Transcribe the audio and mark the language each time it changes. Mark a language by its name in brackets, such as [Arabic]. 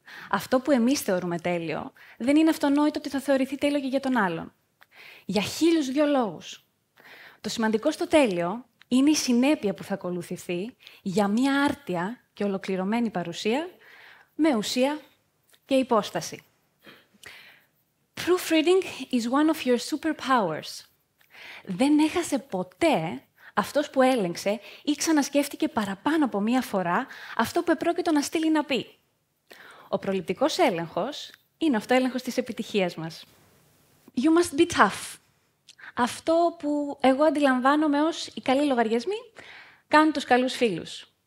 [Greek] Αυτό που εμείς θεωρούμε τέλειο, δεν είναι αυτονόητο ότι θα θεωρηθεί τέλειο και για τον άλλον. Για χίλιους δύο λόγους. Το σημαντικό στο τέλειο είναι η συνέπεια που θα ακολουθηθεί για μια άρτια και ολοκληρωμένη παρουσία με ουσία και υπόσταση. [English] Proofreading is one of your superpowers. [Greek] Δεν έχασε ποτέ αυτός που έλεγξε ή ξανασκέφτηκε παραπάνω από μία φορά αυτό που επρόκειτο να στείλει να πει. Ο προληπτικός έλεγχος είναι αυτό έλεγχος της επιτυχίας μας. [English] You must be tough. [Greek] Αυτό που εγώ αντιλαμβάνομαι ως οι καλοί λογαριασμοί κάνουν τους καλούς φίλους.